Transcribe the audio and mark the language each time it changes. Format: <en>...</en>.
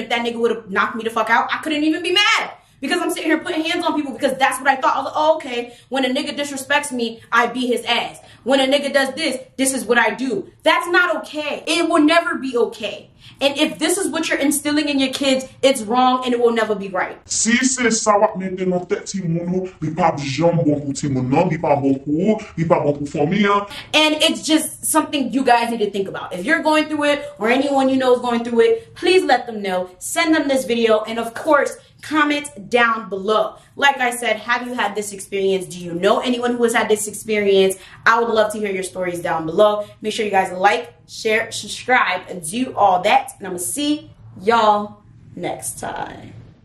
<en>And if that nigga would have knocked me the fuck out, I couldn't even be mad. Because I'm sitting here putting hands on people because that's what I thought. I was like, oh, okay, when a nigga disrespects me, I beat his ass. When a nigga does this, this is what I do. That's not okay. It will never be okay. And if this is what you're instilling in your kids, it's wrong and it will never be right.</en> <ht>Si c'est ça va mettre dans tête Timoun, li pa jam bon pou Timoun, li pa bon pou ou, li pa bon pou famille.</ht> <en>And it's just something you guys need to think about. If you're going through it or anyone you know is going through it, please let them know. Send them this video and of course, comment down below. Like I said, have you had this experience? Do you know anyone who has had this experience? I would love to hear your stories down below. Make sure you guys like, share, subscribe, and do all that. And I'm gonna see y'all next time.</en>